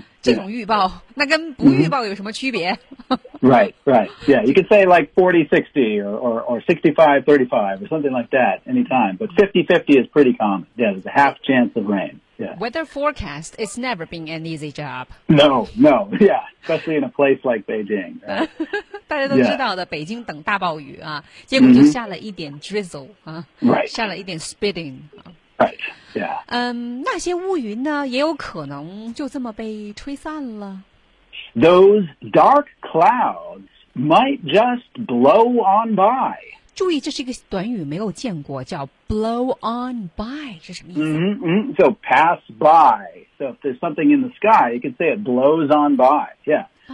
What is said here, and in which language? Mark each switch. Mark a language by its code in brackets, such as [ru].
[zh] 这种预报、那跟不预报有什么区别 [en] right, right. Yeah, you could say like 40-60 or 65-35 or something like that anytime. But 50-50 is pretty common. Yeah, there's a half chance of rain. Yeah. Weather forecast, it's never been an easy job. No, no. Yeah, especially in a place like Beijing.、 [zh] 大家都知道的、北京等大暴雨啊，结果就下了一点 drizzle 啊、 [en] right. [zh] 下了一点 spitting、 [en] Right. Yeah. [zh] 那些乌云呢，也有可能就这么被吹散了。 [en] Those dark clouds might just blow on by. [zh] 注意，这是一个短语，没有见过，叫 [en] blow on by [zh] 是什么意思？ [en] So pass by. So if there's something in the sky, you could say it blows on by. Yeah.